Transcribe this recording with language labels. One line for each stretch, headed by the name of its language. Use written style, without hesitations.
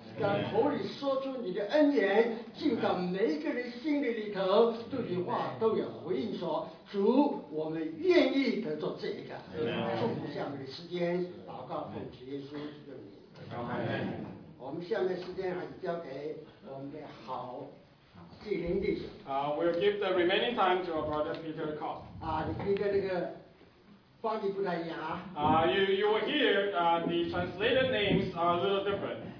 Chinese: 让口里说出你的恩言进到每一个人心里里头，这句话都有回应，说主我们愿意得做这一个。奉献下面的时间祷告奉主耶稣的名。我们下面时间还是交给我们的好纪灵弟兄。
English: We'll give the remaining time to our brother Peter Cobb.
Chinese: 你听到那个翻译不太一样啊。
English: You will hear the translated names are a little different.